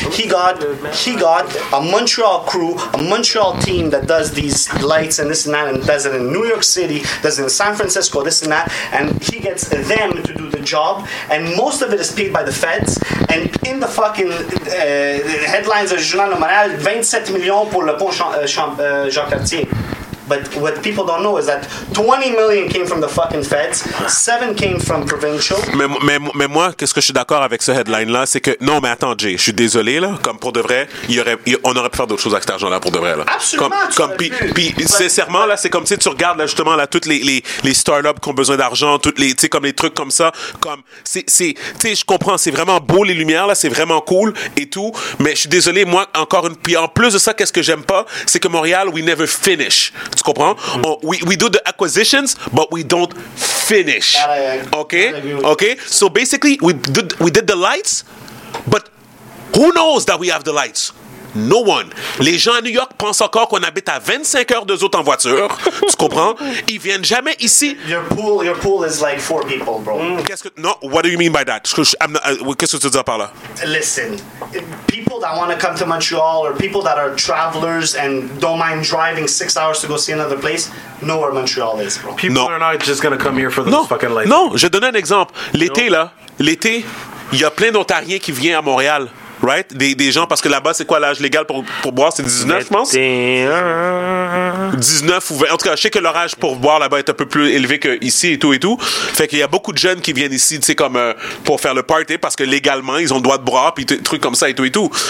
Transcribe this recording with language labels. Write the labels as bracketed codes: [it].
[en] He got a Montreal crew, a Montreal team that does these lights and this and that, and does it in New York City, does it in San Francisco, this and that, and he gets them to do the job, and most of it is paid by the feds, and in the fucking headlines of Journal de Montréal, [fr] 27 millions pour le pont Jean-Cartier. [en] But what people don't know is that 20 million came from the fucking feds, 7 came from provincial. [fr] Mais moi, qu'est-ce que je suis d'accord avec ce headline-là, c'est que... Non, mais attends, Jay, je suis désolé, là. Comme pour de vrai, on aurait pu faire d'autres choses avec cet argent-là, pour de vrai, là. Absolument, comme, tu puis, sincèrement, là, c'est comme si tu regardes, là, justement, là, toutes les startups qui ont besoin d'argent, toutes les, tu sais, comme les trucs comme ça, comme... Tu sais, je comprends, c'est vraiment beau, les lumières, là, c'est vraiment cool et tout, mais je suis désolé, moi, encore une... Puis en plus de ça, qu'est-ce que j'aime pas, c'est que Montréal, [en] we never finish. [fr] Tu comprends? Mm-hmm. [en] We do the acquisitions, but we don't finish. Okay? So basically, we did the lights, but who knows that we have the lights? No one. [fr] Les gens à New York pensent encore qu'on habite à 25 heures de zone en voiture. Tu comprends? Ils viennent jamais ici. [en] Your pool is like four people, bro. Mm. [fr] Qu'est-ce que... [en] No, what do you mean by that? [fr] Qu'est-ce que tu dis par là? [en] Listen, people that want to come to Montreal or people that are travelers and don't mind driving 6 hours to go see another place know where Montreal is, bro. People are not just going to come here for the fucking life. [fr] Non, je donne un exemple. L'été, là, l'été, il y a plein d'Ontariens qui viennent à Montréal. Right? Des gens, parce que là-bas, c'est quoi l'âge légal pour boire? C'est 19, je pense? 19 ou 20. En tout cas, je sais que leur âge pour boire là-bas est un peu plus élevé qu'ici et tout et tout. Fait qu'il y a beaucoup de jeunes qui viennent ici, tu sais, comme pour faire le party, parce que légalement, ils ont le droit de boire, puis trucs comme ça et tout et tout.